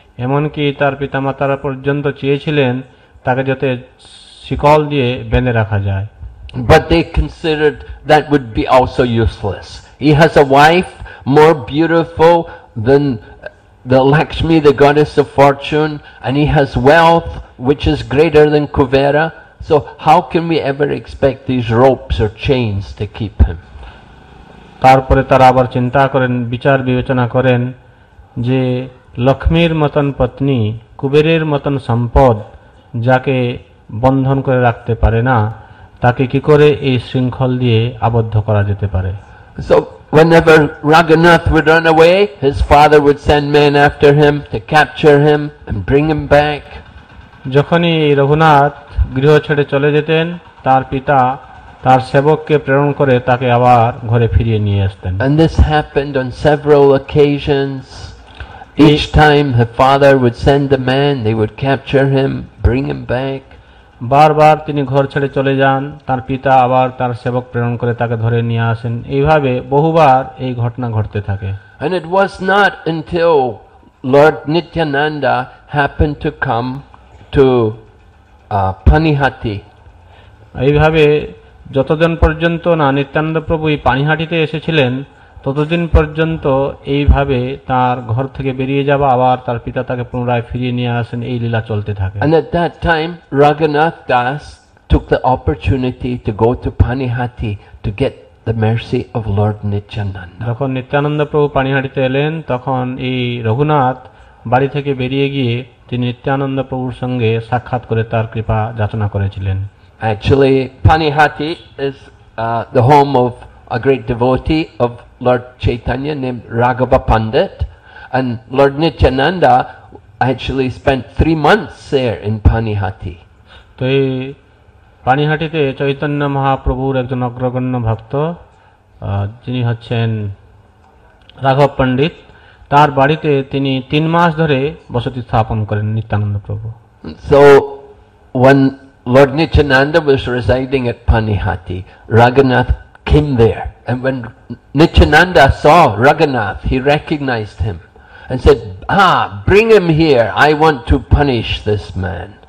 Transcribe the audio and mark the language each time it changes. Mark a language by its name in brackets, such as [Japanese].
[Bangla] এমন কি তার পিতামাতারা পর্যন্ত চেয়েছিলেন তাকে যাতে শিকল দিয়ে বেঁধে রাখা যায়। [English] But they considered that would be also useless. He has a wife more beautiful than the Lakshmi, the goddess of fortune, and he has wealth which is greater than Kuvera. So how can we ever expect these ropes or chains to keep him? [Bangla] তারপরে তারা আবার চিন্তা করেন, বিচার বিবেচনা করেন যে লক্ষ্মীর মতন পত্নী, কুবেরের মতন সম্পদ যাকে বন্ধন করে রাখতে পারে না, তাকে কি করে এই শৃঙ্খল দিয়ে আবদ্ধ করা যেতে পারে। [English] So whenever Raghunath would run away, his father would send men after him to capture him and bring him back. [Bangla] যখনই রঘুনাথ গৃহ ছেড়ে চলে যেতেন, তার পিতা তার সেবককে প্রেরণ করে তাকে আবার ঘরে ফিরিয়ে নিয়ে আসতেন। [English] And this happened on several occasions. Each time her father would send the man, they would capture him, bring him back. [Bangla] বারবার তিনি ঘর ছেড়ে চলে যান, তার পিতা আবার তার সেবক প্রেরণ করে তাকে ধরে নিয়ে আসেন। এইভাবে বহুবার এই ঘটনা ঘটতে থাকে। [English] And it was not until Lord Nityananda happened to come to Panihati. [Bangla] এইভাবে যতদিন পর্যন্ত না নিত্যানন্দ প্রভু এই পানিহাটিতে এসেছিলেন, ততদিন পর্যন্ত এইভাবে তার ঘর থেকে বেরিয়ে যাওয়া আবার তার পিতা তাকে পুনরায় ফিরিয়ে নিয়ে আসেন, এই লীলা চলতে থাকে। [English] And at that time Raghunath Das took the opportunity to go to Panihati to get the mercy of Lord Nityananda. [Bangla] যখন নিত্যানন্দ প্রভু পানিহাটিতে এলেন তখন এই রঘুনাথ বাড়ি থেকে বেরিয়ে গিয়ে তিনি নিত্যানন্দ প্রভুর সঙ্গে সাক্ষাৎ করে তার কৃপা যাচনা করেছিলেন. [English] Actually, Panihati is the home of a great devotee of Lord Chaitanya named Raghava Pandit. And Lord Nityananda actually spent 3 months there in Panihati. So, in Panihati, Chaitanya Mahaprabhu is a great devotee, who is Raghava Pandit. [Bangla] তার বাড়িতে তিনি 3 মাস ধরে বসতি স্থাপন করেন নিত্যানন্দ প্রভু. [English] So when Lord Nityananda was residing at Panihati, Raghunath came there. And when Nityananda saw Raghunath, he recognized him and said, "Ah, bring him here. I want to punish this man."